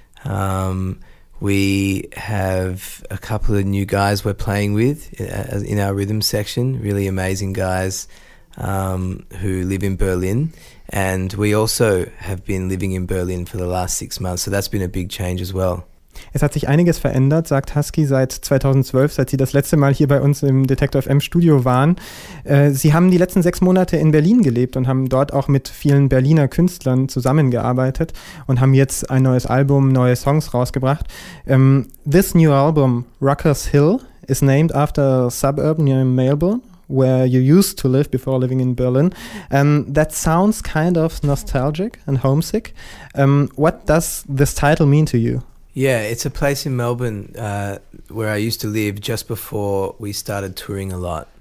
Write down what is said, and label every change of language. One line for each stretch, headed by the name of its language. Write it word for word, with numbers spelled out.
English: Um We have a couple of new guys we're playing with in our rhythm section, really amazing guys um, who live in Berlin. And we also have been living in Berlin for the last six months, so that's been a big change as well.
German: Es hat sich einiges verändert, sagt Husky, seit zweitausendzwölf, seit Sie das letzte Mal hier bei uns im Detektor F M Studio waren. Äh, Sie haben die letzten sechs Monate in Berlin gelebt und haben dort auch mit vielen Berliner Künstlern zusammengearbeitet und haben jetzt ein neues Album, neue Songs rausgebracht.
English: Um, this new album, Ruckers Hill, is named after a suburb near Melbourne, where you used to live before living in Berlin. Um, that sounds kind of nostalgic and homesick. Um, what does this title mean to you? Yeah, it's a place in Melbourne uh, where I used to live just before we started touring a lot.